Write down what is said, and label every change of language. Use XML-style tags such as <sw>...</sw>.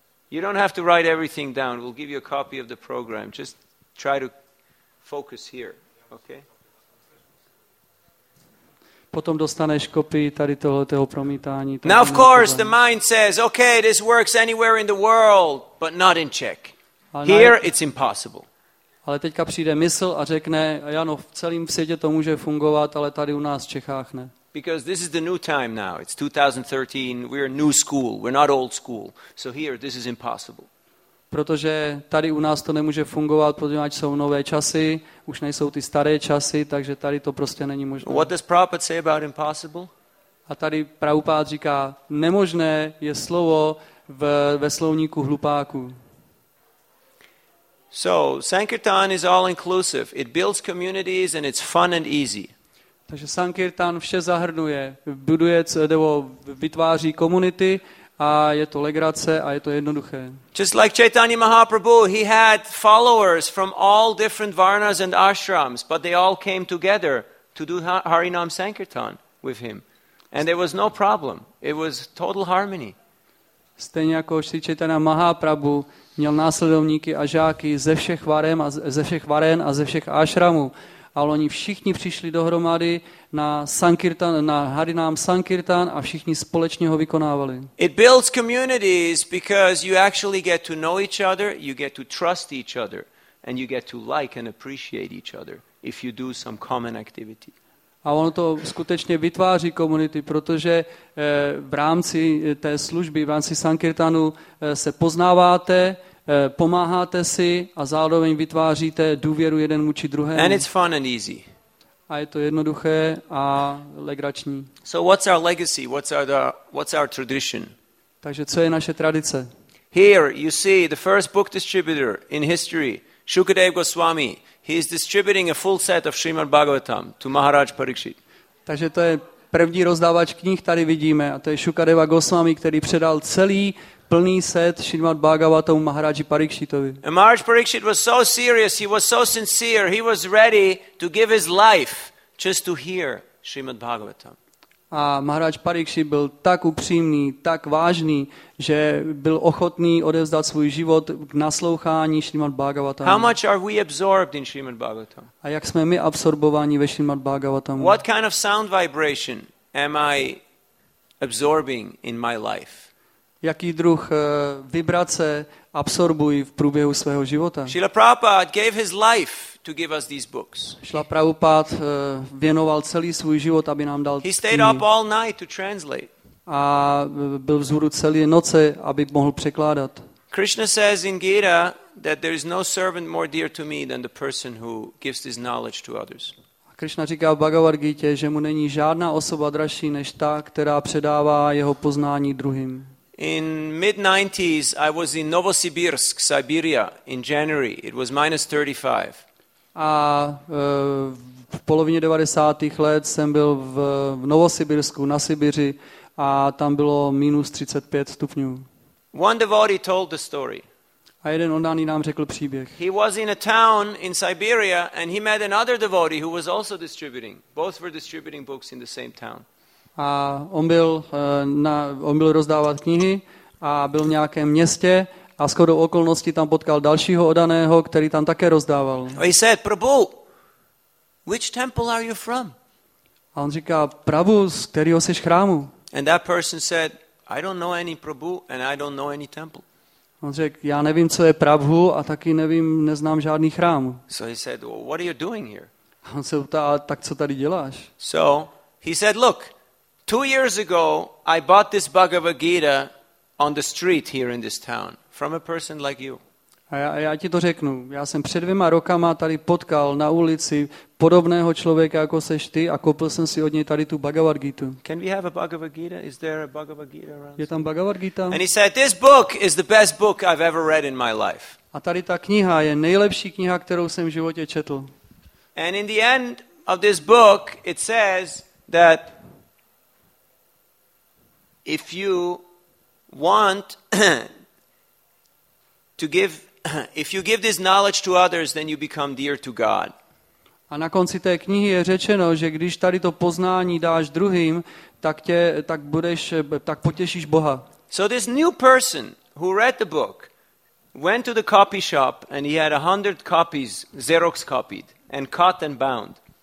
<en>You don't have to write everything down. We'll give you a copy of the program. Just try to focus here, okay?</en> <cs>Potom dostaneš kopii tady tohoto promítání.</cs> <en>Now of course the mind says, okay, this works anywhere in the world, but not in Czech. Here it's impossible.</en> <cs>Ale teďka přijde mysl a řekne, ano, v celém světě to může fungovat, ale tady u nás v Čechách ne.</cs> <en>Because this is the new time now. It's 2013. We're a new school. We're not old school. So here, this is impossible.</en> <cs>Protože tady u nás to nemůže fungovat, protože jsou nové časy, už nejsou ty staré časy, takže tady to prostě není možné.</cs> <en>What does Prabhupada say about impossible?</en> <cs>A tady Prabhupád říká, nemožné je slovo ve slovníku hlupáku.</cs> <en>So, Sankirtan is all inclusive. It builds communities and it's fun and easy.</en> <cs>Takže Sankirtan vše zahrnuje, buduje nebo vytváří komunity a je to legrace a je to jednoduché.</cs> <en>Just like Chaitanya Mahaprabhu, he had followers from all different varnas and ashrams, but they all came together to do Harinam Sankirtan with him. And there was no problem. It was total harmony.</en> <cs>Stejně jako Sri Chaitanya Mahaprabhu měl následovníky a žáky ze všech varen a ze všech ashramů. Ale oni všichni přišli dohromady na Sankirtan, na Harinám Sankirtan a všichni společně ho vykonávali.</cs> <en>It builds communities because you actually get to know each other, you get to trust each other and you get to like and appreciate each other if you do some common activity.</en> <cs>A ono to skutečně vytváří komunity, protože v rámci té služby, v rámci Sankirtanu se poznáváte, pomáháte si a zároveň vytváříte důvěru jeden vůči druhému.</cs> <en>And it's fun and easy.</en> <cs>A je to jednoduché a legrační.</cs> <en>So what's our legacy? What's our tradition?</en> <cs>Takže co je naše tradice?</cs> <en>Here you see the first book distributor in history, Shukadev Goswami. He is distributing a full set of Srimad Bhagavatam to Maharaj Parikshit.</en> <cs>Takže to je první rozdávač knih tady vidíme a to je Shukadeva Goswami, který předal celý plný set Srimad Bhagavatam Maharaji Parikshitovi.</cs> <en>And Maharaj Parikshit was so serious, he was so sincere, he was ready to give his life just to hear Srimad Bhagavatam.</en> <cs>A Maharaj Parikshit byl tak upřímný, tak vážný, že byl ochotný odevzdat svůj život k naslouchání Srimad Bhagavatam.</cs> <en>How much are we absorbed in Srimad Bhagavatam?</en> <cs>A jak jsme my absorbováni ve Srimad Bhagavatam?</cs> <en>What kind of sound vibration am I absorbing in my life?</en> <cs>Jaký druh vibrace absorbuji v průběhu svého života?</cs> <en>Srila Prabhupada gave his life to give us these books.</en> <cs>Srila Prabhupada věnoval celý svůj život, aby nám dal knihy.</cs> <en>He stayed up all night to translate.</en> <cs>A byl vzhůru celé noci, aby mohl překládat.</cs> <en>Krishna says in Gita that there is no servant more dear to me than the person who gives this knowledge to others.</en> <cs>Krishna říká v Bhagavad Gita, že mu není žádná osoba dražší než ta, která předává jeho poznání druhým.</cs> <en>In mid 90s I was in Novosibirsk, Siberia in January. It was minus 35.</en> <cs>A v polovině 90. let jsem byl v Novosibirsku na Sibiři a tam bylo minus 35 stupňů.</cs> <en>One devotee told the story.</en> <cs>A jeden oddaný nám řekl příběh.</cs> <en>He was in a town in Siberia and he met another devotee who was also distributing. Both were distributing books in the same town.</en> <cs>A on byl rozdávat knihy a byl v nějakém městě. A shodou okolností tam potkal dalšího odaného, který tam také rozdával.</cs> <en>He said, Prabhu, which temple are you from?</en> <cs>A on říká, Prabhu, z kterého jsi chrámu?</cs> <en>And that person said, I don't know any Prabhu and I don't know any temple.</en> <cs>On řekl, já nevím, co je Prabhu a taky nevím, neznám žádný chrám.</cs> <en>So he said, well, what are you doing here?</en> <cs>A on se ptá, tak co tady děláš?</cs> <en>So he said, look, 2 years ago I bought this Bhagavad Gita on the street here in this town. From a person like you.</en> <cs>A já ti to řeknu. Já jsem před 2 rokama tady potkal na ulici podobného člověka, jako seš ty, a koupil jsem si od něj tady tu Bhagavad Gita.</cs> <en>Can we have a Bhagavad Gita? Is there a Bhagavad Gita around?</en> <cs>Je tam Bhagavad Gita?</cs> <en>And he said, this book is the best book I've ever read in my life.</en> <cs>A tady ta kniha je nejlepší kniha, kterou jsem v životě četl.</cs> <en>And in the end of this book, it says that if you want to give, if you give this knowledge to others, then you become dear to God.</en> <cs>A na konci té knihy je řečeno, že když tady to poznání dáš druhým, tak potěšíš Boha.</cs> <en>So this new person who read the book went to the copy shop and he had 100 copies Xerox copied and cut and bound.</en>